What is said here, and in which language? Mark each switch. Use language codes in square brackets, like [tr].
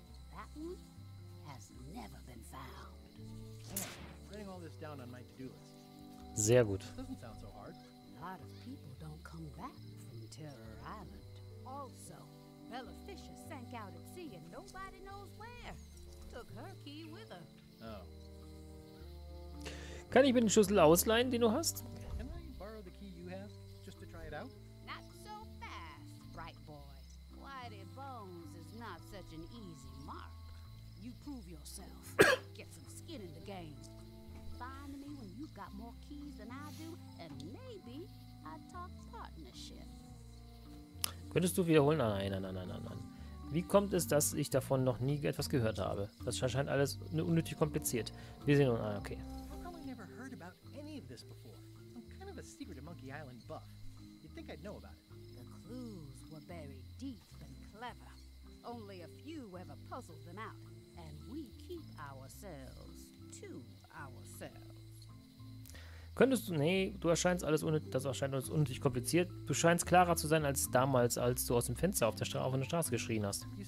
[en] That one? Never been found. I'm writing all this down on my to-do list. [de] Sehr gut. [en] Doesn't sound so hard. A lot of people don't come back from Terror Island. Also, Bella Fisher sank out at sea and nobody knows where. Took her key with her. Oh. [de] Kann ich mir den Schlüssel ausleihen, den du hast? [en] Can I borrow the key you have, just to try it out? Not so fast, bright boy. Whitey Bones is not such an easy mark. You prove yourself. Get some skin in the game. Find me when you've got more keys than I do, and maybe I talk partnership. [de] Könntest du wiederholen? Nein. Wie kommt es, dass ich davon noch nie etwas gehört habe? Das scheint alles unnötig kompliziert. Wir sehen uns. Okay. [en] How come we never heard about any of this before? I'm kind of a secret of Monkey Island buff. You'd think I'd know about it. The clues were buried deep and clever. Only a few ever puzzled them out. And we keep ourselves to ourselves. [de] Könntest du. Nee, du erscheinst alles das erscheint alles unnötig kompliziert. Du scheinst klarer zu sein als damals, als du aus dem Fenster auf der Straße geschrien hast.